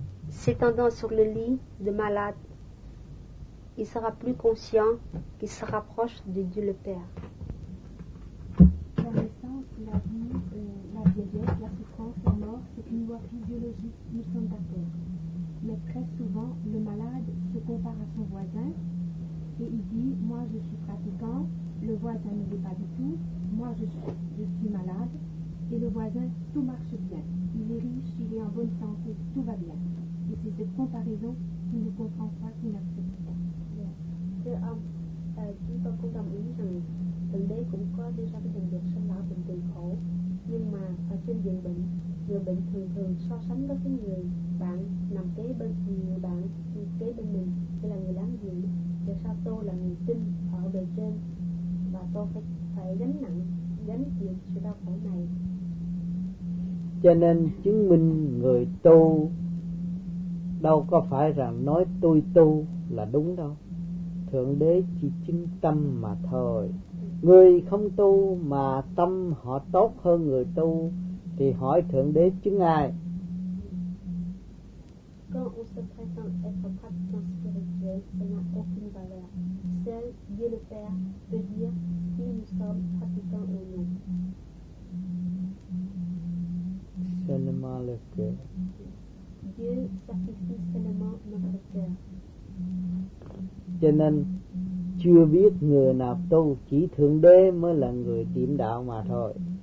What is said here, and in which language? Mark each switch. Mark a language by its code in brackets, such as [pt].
[fr] S'étendant sur le lit de malade, il sera plus conscient qu'il se rapproche de Dieu le Père. La vie, la vieillesse, la souffrance, la mort, c'est une loi physiologique, nous sommes d'accord. Mais très souvent, le malade se compare à son voisin et il dit, moi je suis pratiquant, le voisin ne l'est pas du tout, moi je suis malade et le voisin, tout marche bien. Il est riche, il est en bonne santé, tout va bien. Et c'est cette comparaison qui ne comprend pas, qui n'accepte pas. [vi] Chúng tôi cũng đồng ý rằng gần đây cũng có đi ra cái tình trạng sinh lão bệnh tử khổ, nhưng mà ở trên giường bệnh, người bệnh thường so sánh với cái người bạn nằm kế bên, người bạn kế bên mình thì là người đáng giường, và sao tôi là người tin ở bề trên và tôi phải gánh nặng gánh chịu sự đau khổ này. Cho nên chứng minh người tu đâu có phải rằng nói tôi tu là đúng đâu. Thượng Đế chỉ chứng tâm mà thôi. Người không tu mà tâm họ tốt hơn người tu thì hỏi Thượng Đế chứng ai? [fr] Quand on se prétend être pratiquant spirituel, ça n'a aucune valeur. Seul Dieu le Père peut dire si nous sommes pratiquants ou non. Seulement le cœur. Dieu certifie seulement notre cœur. [vi] Cho nên chưa biết người nào tu, chỉ Thượng Đế mới là người điểm đạo mà thôi.